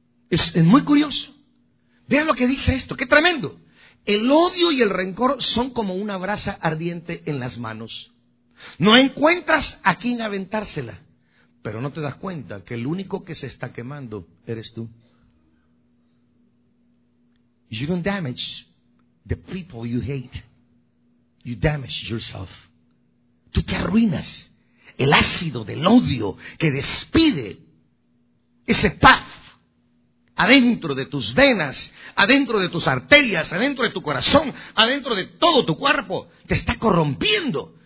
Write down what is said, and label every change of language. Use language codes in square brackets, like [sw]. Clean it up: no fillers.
[es] Es muy curioso. Vean lo que dice esto. ¡Qué tremendo! El odio y el rencor son como una brasa ardiente en las manos. No encuentras a quien aventársela. Pero no te das cuenta que el único que se está quemando eres tú. [en] You don't damage the people you hate. You damage yourself. [es] Tú te arruinas. El ácido del odio que despide ese paz adentro de tus venas, adentro de tus arterias, adentro de tu corazón, adentro de todo tu cuerpo, te está corrompiendo.